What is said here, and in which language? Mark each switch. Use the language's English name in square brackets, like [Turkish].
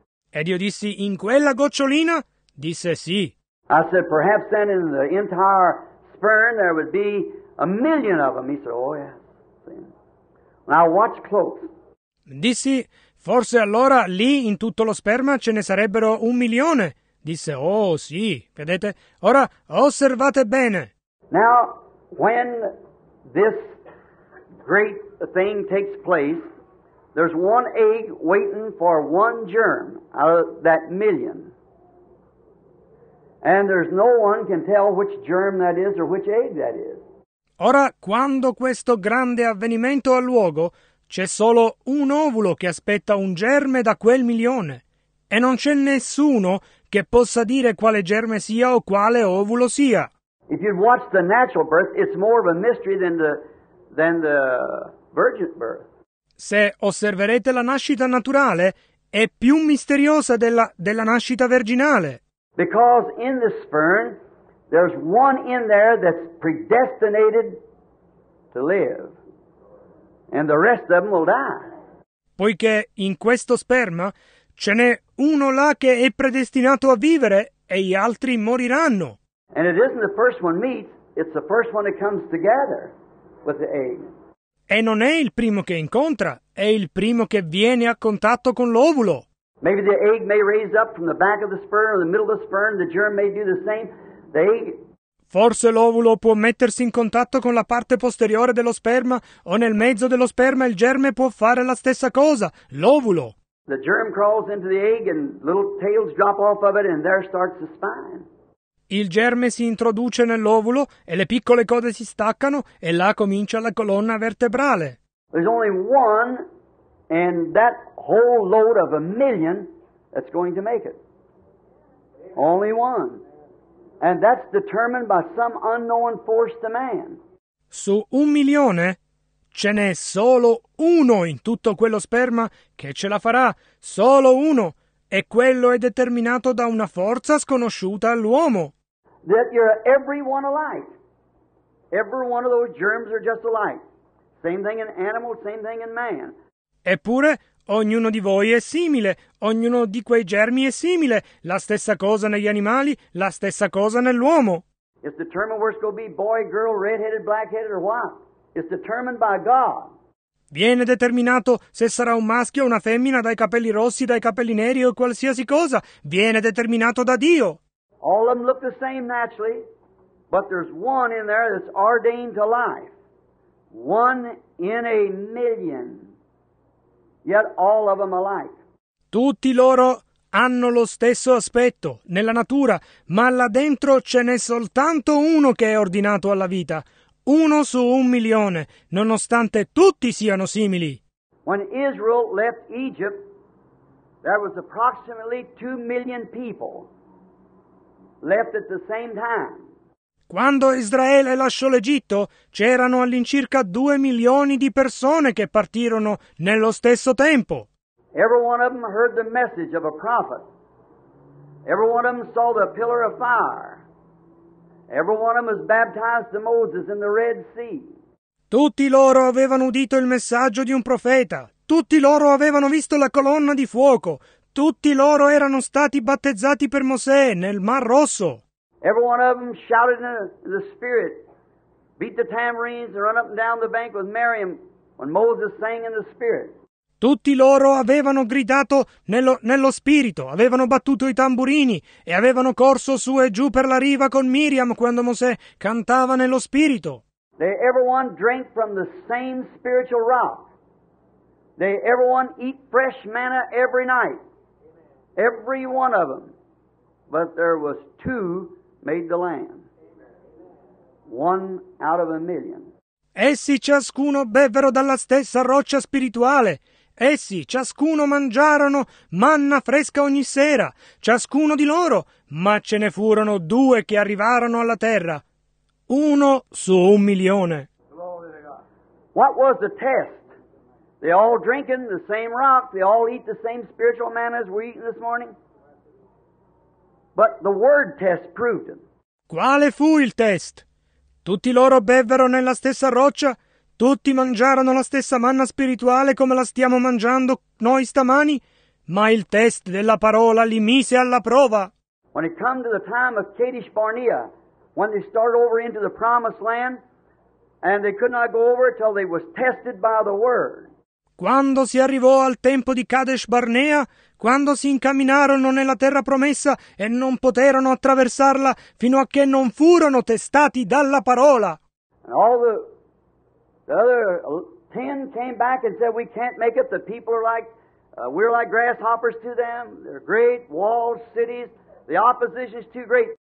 [Italian] Ed io dissi, in quella gocciolina? Disse sì. [English] I said, perhaps then in the entire sperm there would be a million of them. He said, oh yes. And I watched close. [Italian] Dissi, forse allora lì in tutto lo sperma ce ne sarebbero un milione. Disse, oh sì, vedete? Ora osservate bene. [English] Now, when this great thing takes place, there's one egg waiting for one germ out of that million. And there's no one can tell which germ that is or which egg that is. [Italian] Ora, quando questo grande avvenimento ha luogo, c'è solo un ovulo che aspetta un germe da quel milione. E non c'è nessuno che possa dire quale germe sia o quale ovulo sia. [English] If you'd watch the natural birth, it's more of a mystery than the than the virgin birth. [Italian] Se osserverete la nascita naturale, è più misteriosa della nascita virginale. [English] Because in the sperm, there's one in there that's predestinated to live, and the rest of them will die. [Italian] Poiché in questo sperma ce n'è uno là che è predestinato a vivere e gli altri moriranno. [English] And it isn't the first one meets, it's the first one that comes together with the egg. [Italian] E non è il primo che incontra, è il primo che viene a contatto con l'ovulo. [English] Maybe the egg may raise up from the back of the sperm or the middle of the sperm, the germ may do the same. [Italian] Forse l'ovulo può mettersi in contatto con la parte posteriore dello sperma o nel mezzo dello sperma il germe può fare la stessa cosa, l'ovulo. [English] The germ crawls into the egg and little tails drop off of it and there starts the spine. [Italian] Il germe si introduce nell'ovulo e le piccole code si staccano e là comincia la colonna vertebrale. [English] There's only one and that whole load of a million that's going to make it. Only one. And that's determined by some unknown force to man. [Italian] Su un milione ce n'è solo uno in tutto quello sperma che ce la farà, solo uno, e quello è determinato da una forza sconosciuta all'uomo. [English] That you're everyone alike. Every one of those germs are just alike. Same thing in animal, same thing in man. [Italian] Eppure ognuno di voi è simile, ognuno di quei germi è simile, la stessa cosa negli animali, la stessa cosa nell'uomo. [English] It's determined where it's going to be, boy, girl, red-headed, black-headed, or what? It's determined by God. [Italian] Viene determinato se sarà un maschio o una femmina, dai capelli rossi, dai capelli neri o qualsiasi cosa. Viene determinato da Dio. [English] All of them look the same naturally, but there's one in there that's ordained to life. One in a million. Yet all of them alike. [Italian] Tutti loro hanno lo stesso aspetto nella natura, ma là dentro ce n'è soltanto uno che è ordinato alla vita. Uno su un milione, nonostante tutti siano simili. [English] When Israel left Egypt, there was approximately 2 million people left at the same time. [Italian] Quando Israele lasciò l'Egitto, c'erano all'incirca 2 milioni di persone che partirono nello stesso tempo. [English] Every one of them heard the message of a prophet. Every one of them saw the pillar of fire. Every one of them was baptized to Moses in the Red Sea. [Italian] Tutti loro avevano udito il messaggio di un profeta. Tutti loro avevano visto la colonna di fuoco. Tutti loro erano stati battezzati per Mosè nel Mar Rosso. [English] Every one of them shouted in the spirit, beat the tambourines and run up and down the bank with Miriam when Moses sang in the spirit. [Italian] Tutti loro avevano gridato nello spirito, avevano battuto i tamburini e avevano corso su e giù per la riva con Miriam quando Mosè cantava nello spirito. [English] They everyone drank from the same spiritual rock. They everyone eat fresh manna every night. Every one of them. But there was two made the land. One out of a million. [Italian] Essi ciascuno bevvero dalla stessa roccia spirituale. Essi ciascuno mangiarono manna fresca ogni sera. Ciascuno di loro. Ma ce ne furono due che arrivarono alla terra. Uno su un milione. [English] What was the test? They all drinking the same rock. They all eat the same spiritual manna as we're eating this morning. But the word test proved it. [Italian] Quale fu il test? Tutti loro bevvero nella stessa roccia? Tutti mangiarono la stessa manna spirituale come la stiamo mangiando noi stamani? Ma il test della parola li mise alla prova. [English] When it come to the time of Kadesh Barnea, when they started over into the promised land, and they could not go over till they was tested by the word. [Italian] Quando si arrivò al tempo di Kadesh Barnea, quando si incamminarono nella terra promessa e non poterono attraversarla fino a che non furono testati dalla parola. [English] And all the other 10 came back and said, we can't make it, the people are like, we're like grasshoppers to them, they're great, walled cities, the opposition is too great.